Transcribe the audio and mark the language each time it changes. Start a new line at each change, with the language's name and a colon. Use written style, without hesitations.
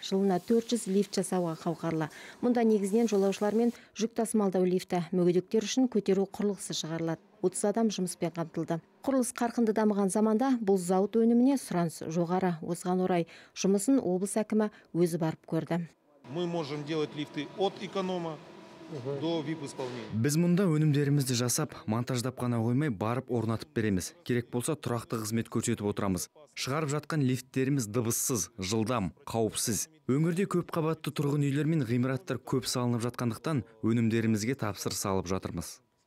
Kazakh: Жылына 400 лифт жасауға қауқарлы. Мұнда негізінен жолаушылармен жүк тасымалдау лифті. Мүгедектер үшін көтеру құрылғысы шығарылады. 30 адам жұмыспен қамтылды. Құрылыс қарқынды дамыған заманда бұл зауыт өніміне сұраныс жоғары. Осыған орай жұмысын облыс әкімі өзі барып көрді.
Russian: Мы можем делать лифты от эконома.
Kazakh: Біз мұнда өнімдерімізді жасап, монтаждап қана қоймай барып орнатып береміз. Керек болса тұрақты қызмет көрсетіп отырамыз. Шығарып жатқан лифттеріміз дыбыссыз, жылдам, қауіпсіз. Өңірде көп қабатты тұрғын үйлер мен ғимараттар көп салынып жатқандықтан өнімдерімізге тапсыр салып жатырмыз.